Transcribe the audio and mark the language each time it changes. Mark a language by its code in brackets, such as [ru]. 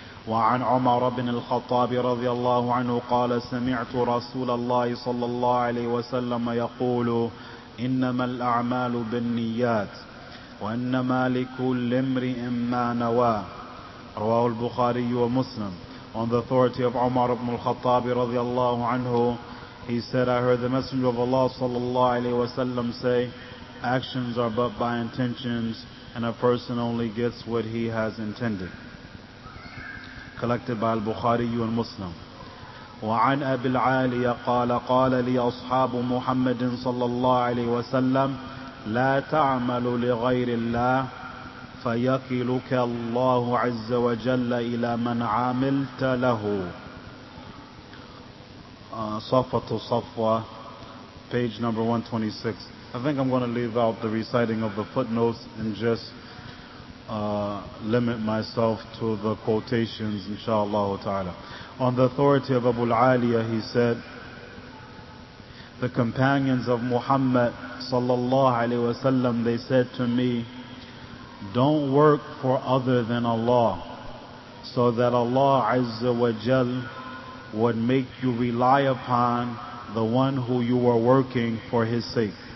[ar] وعن عمر بن الخطاب رضي الله عنه قال سمعت رسول الله صلى الله عليه وسلم يقول إنما الأعمال بالنيات وإنما لكل امرئ ما نوى. رواه البخاري ومسلم. [en] On the authority of Umar ibn al-Khattab radiyallahu anhu, he said, I heard the Messenger of Allah sallallahu alayhi wa sallam say, actions are but by intentions, and a person only gets what he has intended. Collected by al-Bukhari and Muslim. [ar] وعن أبي العالية قال قال لي أصحاب محمد صلى الله عليه وسلم لا تعمل لغير الله فيكلك الله عز وجل إلى من عاملت له. [en] صفة صفوة, page number 126. I think I'm going to leave out the reciting of the footnotes and just limit myself to the quotations, inshallah ta'ala. On the authority of Abu al-Aliyah, he said, the companions of Muhammad sallallahu alayhi wa sallam, they said to me, don't work for other than Allah, so that Allah Azza wa Jal would make you rely upon the one who you are working for His sake.